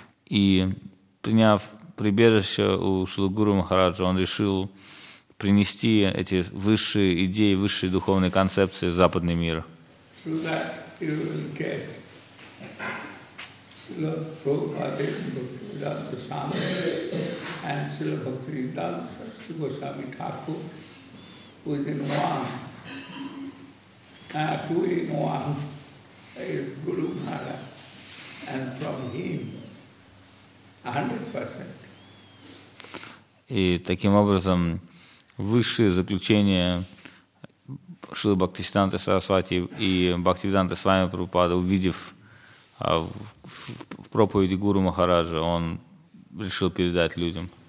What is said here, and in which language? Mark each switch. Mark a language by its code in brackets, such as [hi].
[ru] И приняв прибежище у Шрилы Гуру Махараджа, он решил принести эти высшие идеи, высшие духовные концепции в западный мир. [en] you will get Srila Prabhupada Bhaktivedanta Swami and Srila Bhaktivedanta Sakti Goswami Thakur within one. Two in one is Guru Maharaj, and from him 100%. [ru] И таким образом высшие заключения Шрилы Бхактисиддханты Сарасвати и Бхактивиданты Свами Прабхупада, увидев в проповеди Гуру Махараджа, он решил передать людям.